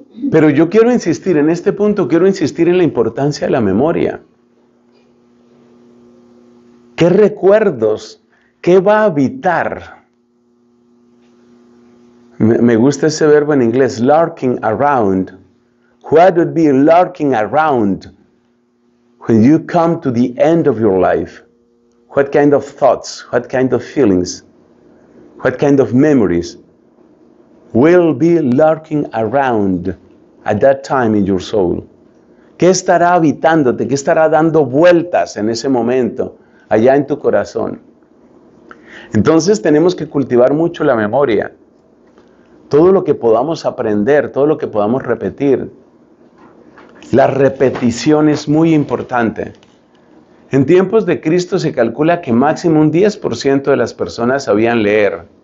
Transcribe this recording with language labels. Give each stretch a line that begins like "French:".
Spanish: Pero yo quiero insistir en este punto, quiero insistir en la importancia de la memoria. ¿Qué recuerdos? ¿Qué va a habitar? Me gusta ese verbo en inglés,
English: lurking around. What would be lurking around when you come to the end of your life? What kind of thoughts, what kind of feelings, what kind of memories will be lurking around at that time in your soul?
Spanish: ¿Qué estará habitándote? ¿Qué estará dando vueltas en ese momento allá en tu corazón? Entonces tenemos que cultivar mucho la memoria. Todo lo que podamos aprender, todo lo que podamos repetir. La repetición es muy importante. En tiempos de Cristo se calcula que máximo un 10% de las personas sabían leer.